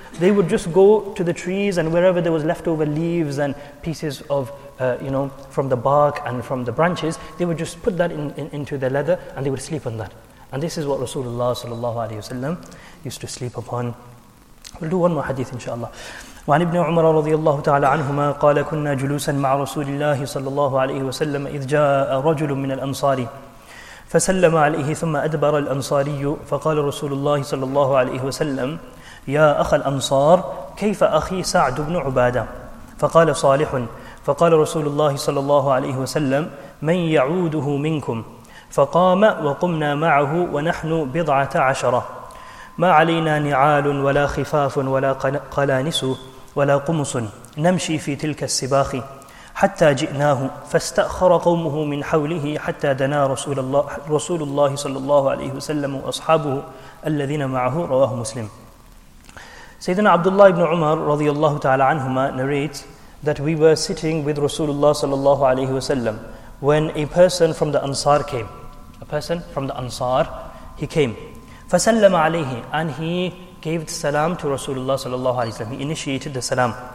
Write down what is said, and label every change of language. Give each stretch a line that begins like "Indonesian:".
English: They would just go to the trees and wherever there was leftover leaves and pieces of, from the bark and from the branches, they would just put that into their leather and they would sleep on that. And this is what Rasulullah sallallahu alayhi wa sallam used to sleep upon. We'll do one more hadith, inshaAllah.
Arabic: وعن ابن عمر رضي الله تعالى عنهما قال كنا جلوسا مع رسول الله صلى الله عليه وسلم إذ جاء رجل من الأنصار فسلم عليه ثم أدبر الأنصاري فقال رسول الله صلى الله عليه وسلم يا أخ الأنصار كيف أخي سعد بن عبادة فقال صالح فقال رسول الله صلى الله عليه وسلم من يعوده منكم فقام وقمنا معه ونحن بضعة عشرة ما علينا نعال ولا خفاف ولا قلانس ولا قمص نمشي في تلك السباخ حتى جئناه فاستأخر قومه من حوله حتى دنا رسول الله صلى الله عليه وسلم وأصحابه الذين معه رواه مسلم. سيدنا عبد الله بن عمر رضي الله تعالى عنهما
English: narrates that we were sitting with Rasulullah صلى الله عليه وسلم when a person from the Ansar came. A person from the Ansar, he came.
Arabic: فَسَلَّمَ عَلَيْهِ
English: And he gave the salam to Rasulullah sallallahu alayhi wa sallam. He initiated the salam.